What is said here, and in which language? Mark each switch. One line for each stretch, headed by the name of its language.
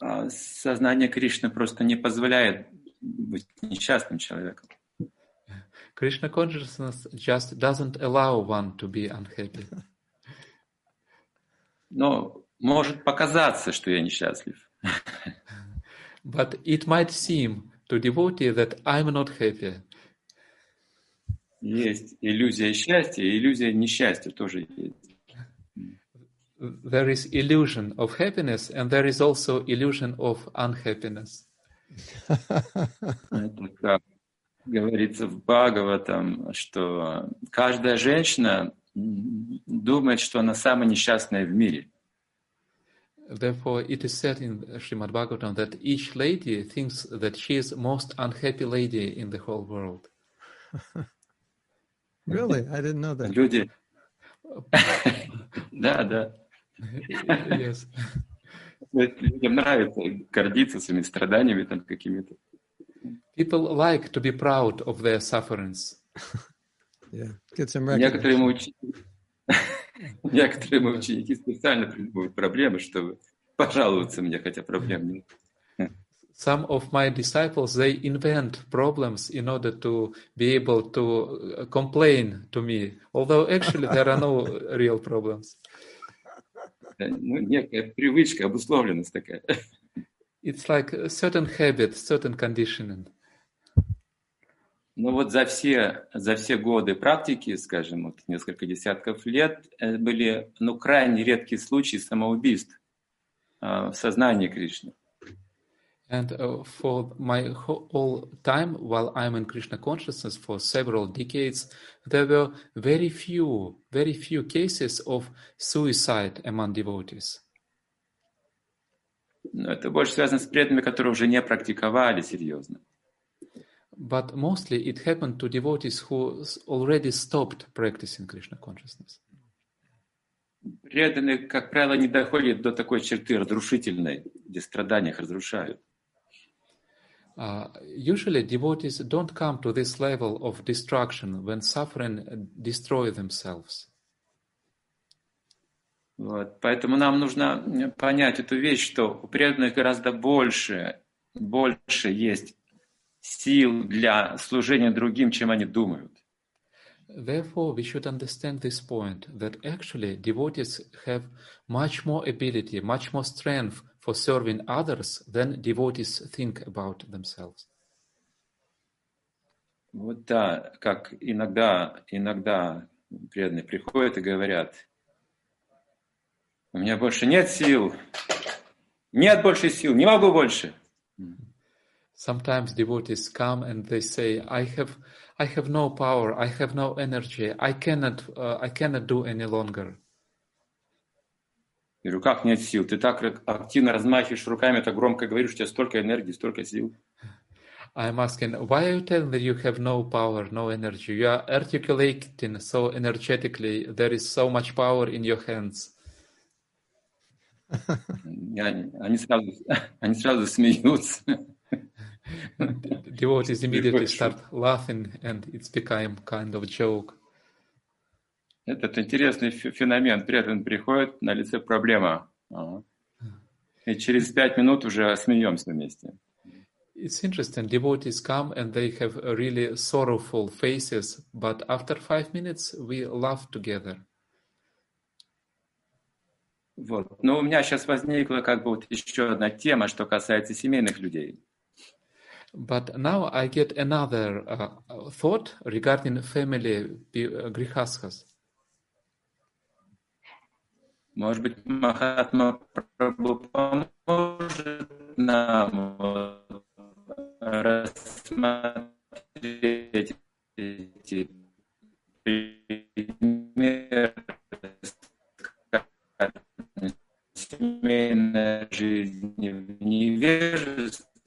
Russian: Сознание Кришны просто не позволяет быть несчастным человеком.
English: Krishna consciousness just doesn't allow one to be unhappy.
Russian: Но может показаться, что я несчастлив.
English: But it might seem to devotee that I'm not happy.
Russian: Есть иллюзия счастья и иллюзия несчастья тоже есть.
English: There is illusion of happiness and there is also illusion of unhappiness.
Russian: Это как говорится в Бхагаватам, что каждая женщина думает, что она самая несчастная в мире.
English: Therefore, it is said in Srimad Bhagavatam that each lady thinks that she is most unhappy lady in the whole world. Really? I didn't know that.
Russian: Люди. Да, да.
English: Yes.
Russian: Людям нравится гордиться своими страданиями там какими-то.
English: People like to be proud of their sufferings. Yeah, get some recognition.
Russian: Некоторые мои ученики специально придумывают проблемы, чтобы пожаловаться мне, хотя проблем нет.
English: Some of my disciples, they invent problems in order to be able to complain to me, although actually there are no real problems.
Russian: Ну, некая привычка, обусловленность такая.
English: It's like a certain habit, certain conditioning.
Russian: Ну вот за все годы практики, скажем, вот несколько десятков лет, были ну, крайне редкие случаи самоубийств в сознании Кришны.
English: And for my whole time, while I'm in Krishna consciousness for several decades, there were very few cases of suicide among devotees.
Russian: Но это больше связано с преданными, которые уже не практиковали серьезно.
English: But mostly it happened to devotees who already stopped practicing Krishna consciousness.
Russian: Преданные, как правило, не доходят до такой черты разрушительной, где страдания их разрушают.
English: Usually devotees don't come to this level of destruction when suffering destroys themselves.
Russian: Вот, поэтому нам нужно понять эту вещь, что у преданных гораздо больше есть сил для служения другим, чем они думают.
English: Therefore, we should understand this point, that actually devotees have much more ability, much more strength for serving others than devotees think about themselves.
Russian: Вот да, как иногда преданные приходят и говорят, у меня больше нет сил, нет больше сил, не могу больше.
English: Sometimes devotees come and they say, I have no power, I have no energy, I cannot do any longer.
Russian: В руках нет сил. Ты так активно размахиваешь руками, так громко говоришь, у тебя столько энергии, столько сил.
English: I'm asking, why are you telling that you have no power, no energy? You are articulating so energetically, there is so much power in your hands.
Russian: Они сразу смеются.
English: Devotees immediately start laughing, and it's become kind of a joke.
Russian: Этот интересный феномен. Преданный приходит, на лице проблема. И через 5 минут уже смеемся вместе.
English: It's interesting. Devotees come, and they have really sorrowful faces, but after 5 minutes, we laugh together.
Russian: Вот. Но у меня сейчас возникла как бы вот еще одна тема, что касается семейных людей.
English: But now I get another thought regarding family grihasthas.
Russian: Может быть, Махатма Прабху поможет нам рассмотреть эти примеры семейной жизни в невежестве.